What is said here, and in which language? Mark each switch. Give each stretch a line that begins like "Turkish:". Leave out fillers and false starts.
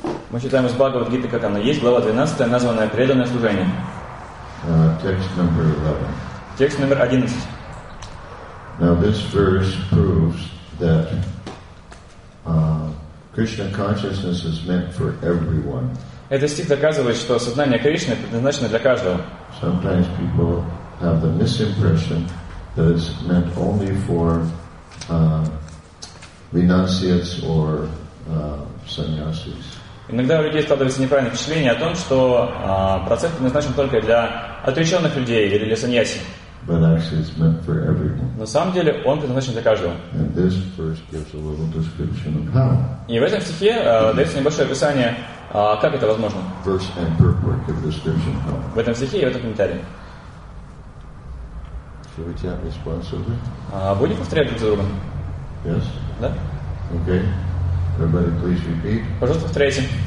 Russian: Мы читаем из Бхагавад Гиты, как она есть, глава 12, названная Преданное служение.
English: Text number 11.
Russian: Текст номер 11.
English: Now this verse proves that Krishna consciousness is meant for everyone.
Russian: Этот стих доказывает, что сознание Кришны предназначено для каждого.
English: Sometimes people have the misimpression that it's meant only for renunciates or sannyasis.
Russian: Иногда у людей складывается неправильное впечатление о том, что процесс предназначен только для отреченных людей или для саньяси.
English: But actually it's meant for everyone.
Russian: На самом деле он предназначен для каждого.
English: And this verse gives a little description of how.
Russian: И в этом стихе дается небольшое описание, как это возможно.
English: Verse and purport give a description of how.
Russian: В этом стихе и в этом комментарии.
English: Should we chant responsibly?
Russian: Будем повторять друг за другом.
English: Yes?
Russian: Да?
English: Okay. Everybody please repeat.
Russian: Пожалуйста, повторяйте.